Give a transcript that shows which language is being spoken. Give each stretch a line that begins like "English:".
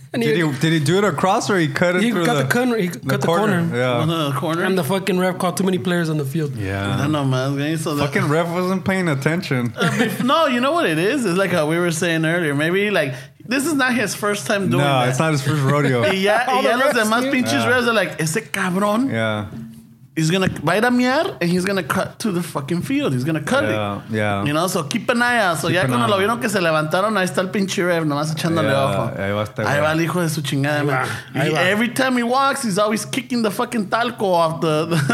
English: And did he do it across or he cut it? He through cut the corner. He cut the corner. Yeah, the corner. And the fucking ref caught too many players on the field. Yeah, I don't know, man. So the fucking ref wasn't paying attention. No, you know what it is? It's like how we were saying earlier. Maybe like. This is not his first time doing that. No, it's not his first rodeo.
Spanish: Yeah, los demás pinches refs
English: are like,
Spanish: ese cabrón.
English: Yeah. He's going to bite a mier and he's going to cut to the fucking field. He's going to cut it. Yeah. You know, so keep an eye out. So keep
Spanish: ya cuando lo vieron que se levantaron, ahí está el pinche ref, nomás echándole ojo. Ahí va el hijo de su chingada, man.
English: Every time he walks, he's always kicking the fucking talco off the